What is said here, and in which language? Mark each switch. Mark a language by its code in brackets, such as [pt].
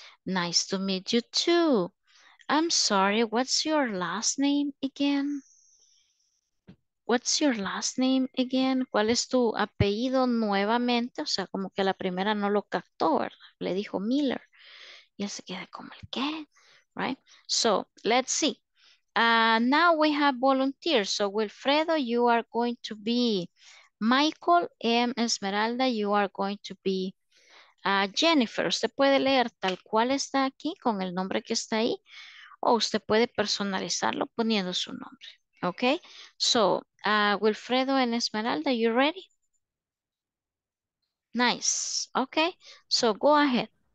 [en] Nice to meet you too. I'm sorry, what's your last name again? What's your last name again? [es] ¿Cuál es tu apellido nuevamente? O sea, como que la primera no lo captó, ¿verdad? Le dijo Miller. Y él se queda como el qué, right? [en] So, let's see. Now we have volunteers. So, Wilfredo, you are going to be Michael. M. Esmeralda, you are going to be Jennifer. [es] Usted puede leer tal cual está aquí con el nombre que está ahí. O usted puede personalizarlo poniendo su nombre. [en] Okay, so Wilfredo and Esmeralda, you ready? Nice. Okay, so go ahead.